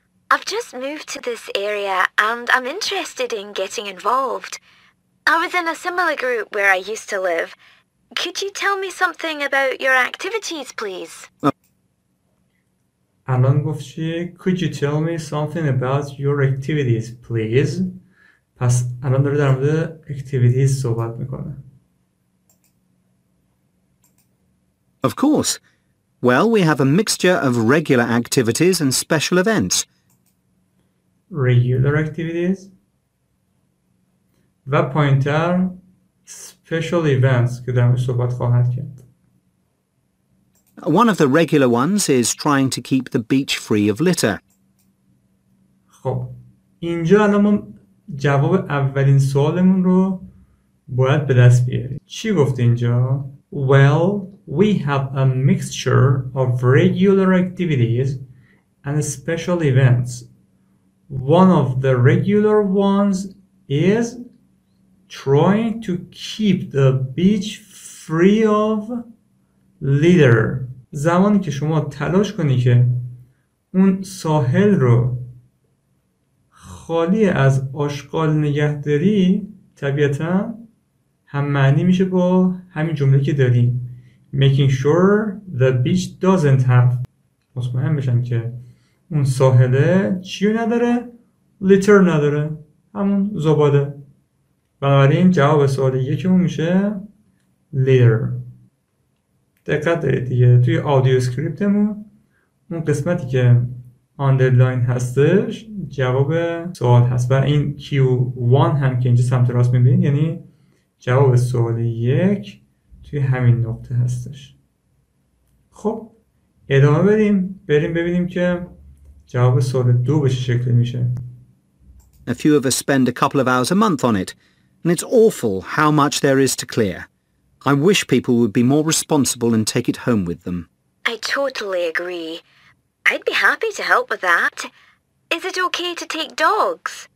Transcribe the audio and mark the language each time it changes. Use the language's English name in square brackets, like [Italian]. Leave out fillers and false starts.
[English] I've just moved to this area and I'm interested in getting involved. I was in a similar group where I used to live. Could you tell me something about your activities, please? [Persian] الان گفتی [English] Could you tell me something about your activities, please? [Persian] پس الان داره در مورد activities صحبت میکنه. [English] Of course. Well, we have a mixture of regular activities and special events. Regular activities [Persian] و پایین‌تر [English] special events [Persian] که در مورد صحبت خواهد کرد. [English] One of the regular ones is trying to keep the beach free of litter. [Persian] خب اینجا الان ما جواب اولین سوالمون رو باید به دست بیاریم. چی گفت اینجا؟ [English] Well, we have a mixture of regular activities and special events. One of the regular ones is trying to keep the beach free of litter. [Persian] زمانی که شما تلاش کنی که اون ساحل رو خالی از آشغال نگهداری، طبیعتا هم معنی میشه با همین جمله که داریم، [English] Making sure the beach doesn't have. [Persian] مطمئن بشم که اون ساحله چی نداره؟ لیتر نداره، همون زباده. بنابراین جواب سوال یکمون میشه لیتر. دقت دارید دیگه، توی آدیو اسکریپتمون اون قسمتی که آندرلاین هستش جواب سوال هست و این Q1 هم که اینجا سمت راست میبینید، یعنی جواب سوال یک توی همین نقطه هستش. خب ادامه بدیم، بریم ببینیم که جواب سوال دو به چه شکلی میشه. [English] A few of us spend a couple of hours a month on it, and it's awful how much there is to clear. I wish people would be more responsible and take it home with them. I totally agree. I'd be happy to help with that. Is it okay to take dogs?